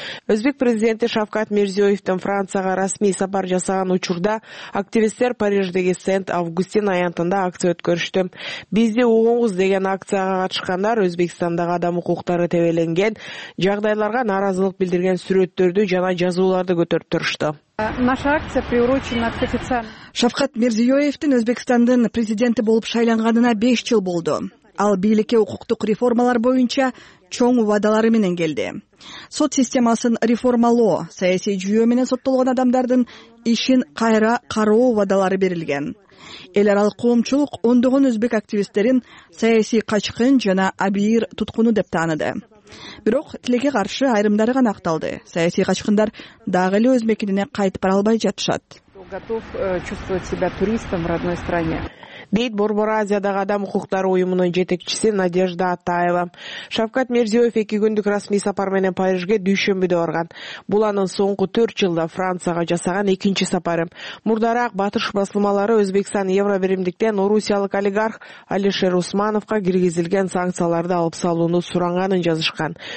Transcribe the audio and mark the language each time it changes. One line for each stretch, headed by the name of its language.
Kyrgyz: Өзбек президенти Шавкат Мирзиёевдин Францияга расмий сапар жасаган учурда активисттер Париждеги Сент-Августин аянтында акция өткөрүштү. Бизди угуңуз деген акцияга катышкандар Өзбекстандагы адам укуктары тебеленген жагдайларга нааразылык билдирген сүрөттөрдү жана жазууларды көтөрүп турушту.
Russian: Наша акция приурочена к официальному.
Kyrgyz: Шавкат Мирзиёевдин Өзбекстандын президенти болуп шайланганына 5 жыл болду. Ал бийликке укуктук реформалар боюнча чоң убадалары менен келди. Сот системасын реформалоо, саясий жүйө менен соттолгон адамдардын ишин кайра кароо убадалары берилген. Эл аралык коомчулук ондогон өзбек активисттерин саясий качкын жана абийир туткуну деп тааныды. Бирок тилекке каршы айрымдары гана акталды. Саясий качкындар дагы эле өз мекенине кайтып бара албай жатышат.
Russian: Готов чувствовать себя туристом в родной стране.
Kyrgyz: Дейт Борбор Азиядагы адам укуктары уюмунун жетекчиси Надежда Атаева. Шавкат Мирзиёев 2 күндүк расмий сапар менен Парижге дүйшөмбүдө барган. Бул анын соңку 4 жылда Францияга жасаган 2-нчи сапары. Мурдараак батыш басылмалары Өзбекстан Евробиримдиктен орусиялык олигарх Алишер Усмановго киргизилген санкцияларды алып салууну суранганын жазышкан.